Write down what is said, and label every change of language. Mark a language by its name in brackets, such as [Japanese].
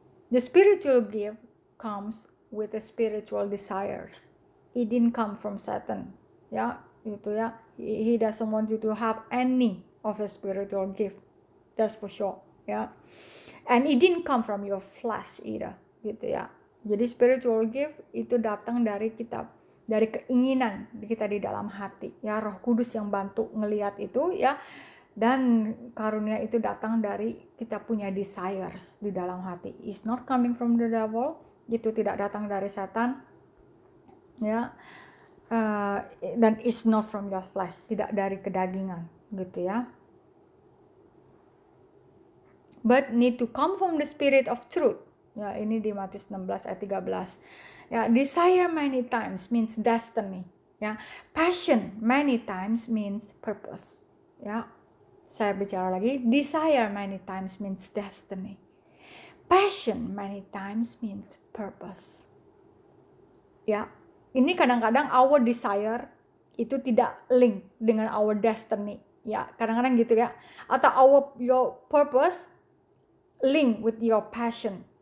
[English] The spiritual gift comes with the spiritual desires. It didn't come from Satan. Yeah, itu ya. He doesn't want you to have any of a spiritual gift. That's for sure. Yeah. And it didn't come from your flesh either. [Indonesian] Gitu ya. Jadi spiritual gift itu datang dari kita, dari keinginan kita di dalam hati ya, Roh Kudus yang bantu ngelihat itu ya. Dan karunia itu datang dari kita punya desires di dalam hati. [English] It's not coming from the devil. [Indonesian] Itu tidak datang dari setan. Ya. Dan [English] it's not from your flesh, [Indonesian] tidak dari kedagingan gitu ya. [English] But need to come from the spirit of truth. [Indonesian] Ya, ini di Matius 16 ayat 13. [English] Ya, desire many times means destiny, ya. Passion many times means purpose. Ya. [Indonesian] Saya bicara lagi, [English] desire many times means destiny. Passion many times means purpose. [Indonesian] Ya, ini kadang-kadang our desire itu tidak link dengan our destiny. Ya, kadang-kadang gitu ya. [English] Atau your purpose link with your passion.